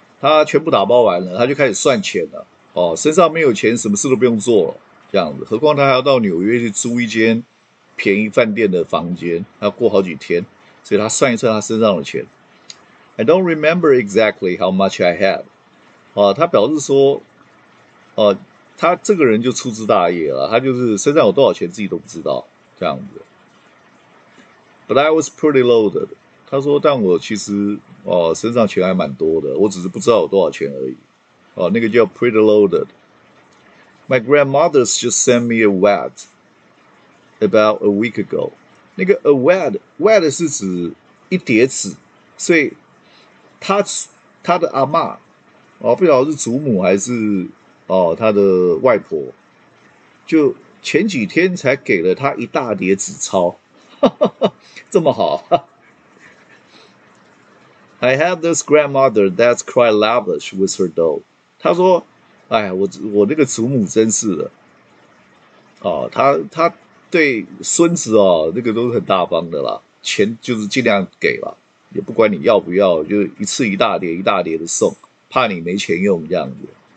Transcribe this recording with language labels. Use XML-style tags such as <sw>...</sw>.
<zh>他全部打包完了，他就开始算钱了。哦，身上没有钱，什么事都不用做了，这样子。何况他还要到纽约去租一间便宜饭店的房间，要过好几天，所以他算一算他身上的钱。</zh> <en>I don't remember exactly how much I had.</en> <zh>哦，他表示说，哦，他这个人就粗枝大叶了，他就是身上有多少钱自己都不知道，这样子。</zh> <en>But I was pretty loaded.</en> <zh>他说，但我其实哦，身上钱还蛮多的，我只是不知道有多少钱而已。哦，那个叫</zh> <en>pretty loaded. My grandmother's just sent me a wad about a week ago.</en> <zh>那个 a wad 是指一叠纸，所以他的阿嬷，哦，不晓得是祖母还是哦他的外婆，就前几天才给了他一大叠纸钞，这么好。</zh> <en>I have this grandmother that's quite lavish with her dough.</en> <zh>他说，哎，我那个祖母真是的，哦，他对孙子哦，那个都是很大方的啦，钱就是尽量给啦，也不管你要不要，就一次一大叠一大叠的送，怕你没钱用这样子。</zh>